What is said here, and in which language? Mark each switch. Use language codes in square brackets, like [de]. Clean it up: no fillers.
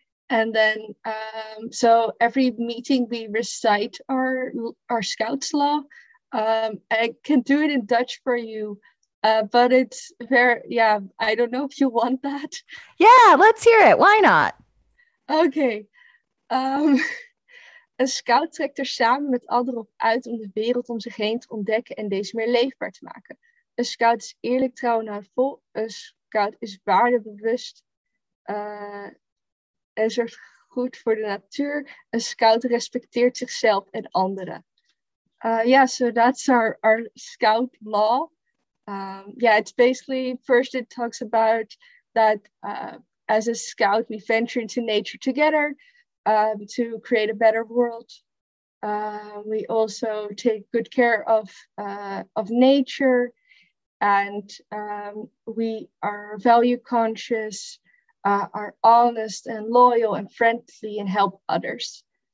[en] And then so every meeting we recite our Scouts Law. I can do it in Dutch for you. But it's very, I don't know if you want that. Yeah, let's hear it. Why not? Okay. [nl] Een scout trekt er samen met anderen op uit om de wereld om zich heen te ontdekken en deze meer leefbaar te maken. Een scout is eerlijk, trouw en naarvol. Een scout is waardebewust en zorgt goed voor de natuur. Een scout respecteert zichzelf en anderen. [en] So that's our scout law. It's basically, first it talks about that as a scout, we venture into nature together to create a better world. We also take good care of nature, and we are value conscious, are honest and loyal and friendly and help others.